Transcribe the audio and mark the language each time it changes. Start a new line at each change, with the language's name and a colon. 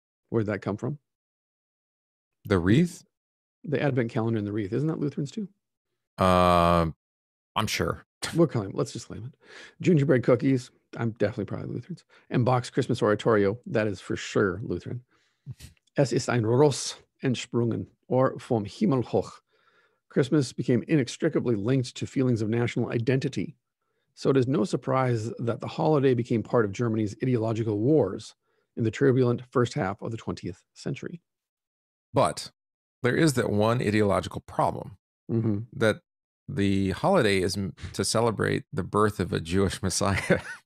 English: Where'd that come from? The wreath? The Advent calendar and the wreath. Isn't that Lutherans too? I'm sure. We'll claim it. Let's just claim it. Gingerbread cookies. I'm definitely probably Lutherans. And box Christmas oratorio. That is for sure Lutheran.
German: Es ist ein Ross entsprungen, or vom Himmel hoch.
English: Christmas became inextricably linked to feelings of national identity. So it is no surprise that the holiday became part of Germany's ideological wars in the turbulent first half of the 20th century. But there is that one ideological problem, that the holiday is to celebrate the birth of a Jewish Messiah.